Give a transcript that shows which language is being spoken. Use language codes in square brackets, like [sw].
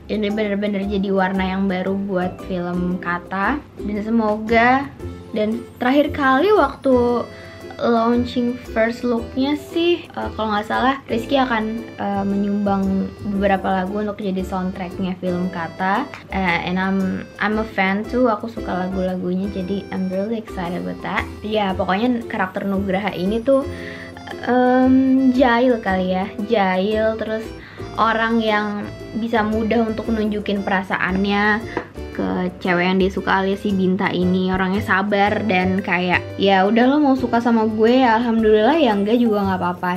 [id] Ini benar-benar jadi warna yang baru buat film Kata. Dan semoga, dan terakhir kali waktu launching first look-nya sih, kalau nggak salah Rizky akan menyumbang beberapa lagu untuk jadi soundtrack-nya film Kata. [en] And I'm a fan too, [id] aku suka lagu-lagunya, jadi [en] I'm really excited about that. [id] Ya, pokoknya karakter Nugraha ini tuh jahil kali ya, jahil, terus orang yang bisa mudah untuk nunjukin perasaannya ke cewek yang dia suka alias si Binta ini. Orangnya sabar dan kayak, ya udah lo mau suka sama gue ya alhamdulillah, ya enggak juga gak apa-apa.